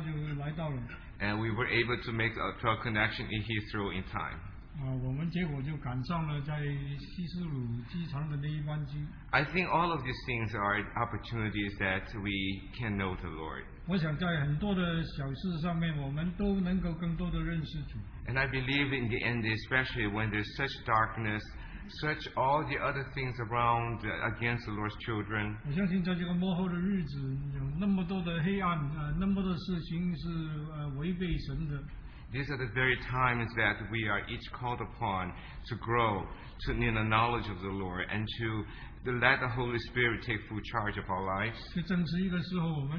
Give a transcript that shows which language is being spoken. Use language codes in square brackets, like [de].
[zh] 我就奇怪，10分钟之内他就来到了。And [en] we were able to make a truck connection in Heathrow in time. [zh] 我们结果就赶上了在希斯鲁机场的那一班机。I [en] think all of these things are opportunities that we can know the Lord. [zh] 我想在很多的小事上面，我们都能够更多的认识主。And [en] I believe in the end, especially when there's such darkness, such all the other things around against the Lord's children. [zh] 我相信在这个末后的日子，有那么多的黑暗，那么多事情是违背神的。 [en] These are the very times that we are each called upon to grow to in the knowledge of the Lord and to let the Holy Spirit take full charge of our lives.